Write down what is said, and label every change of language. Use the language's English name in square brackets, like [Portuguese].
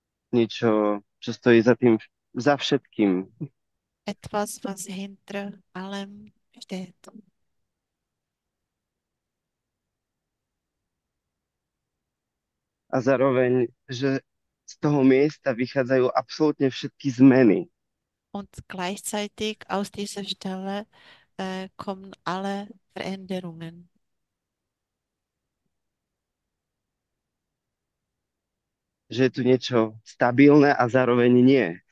[Slovak] Niečo, čo stojí za tým, za všetkým. [German] Etwas, was hinter allem steht. [Slovak] A zároveň, že z toho miesta vychádzajú absolútne všetky zmeny. [German] Und gleichzeitig aus dieser Stelle kommen alle Veränderungen. [Slovak] Že je tu niečo stabilné a zároveň nie.